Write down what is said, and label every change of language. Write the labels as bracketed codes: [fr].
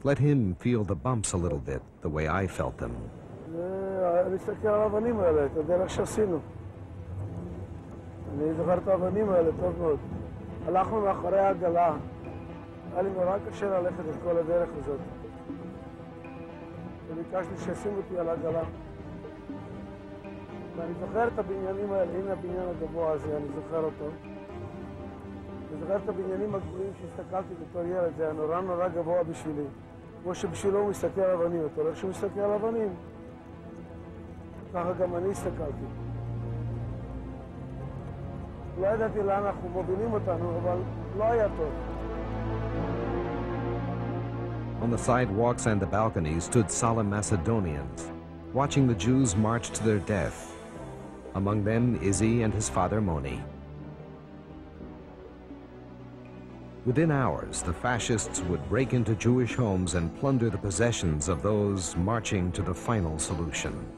[en] Let him feel the bumps a little bit, the way I felt them. [he] ואני זוכר את הבניינים האלה, הנה הבניין הגבוה הזה, אני זוכר אותו. זוכר את הבניינים הגבוהים שהסתכלתי בתור ילד, זה היה נורא נורא גבוה בשבילי. כמו שבשבילו הוא מסתכל על אבנים, אתה רואה שהוא מסתכל על אבנים. ככה גם אני הסתכלתי. לא ידעתי לאן אנחנו מובילים אותנו, אבל לא היה טוב. [en] On the sidewalks and the balconies stood solemn Macedonians, watching the Jews march to their death. Among them, Izzy and his father, Moni. Within hours, the fascists would break into Jewish homes and plunder the possessions of those marching to the final solution.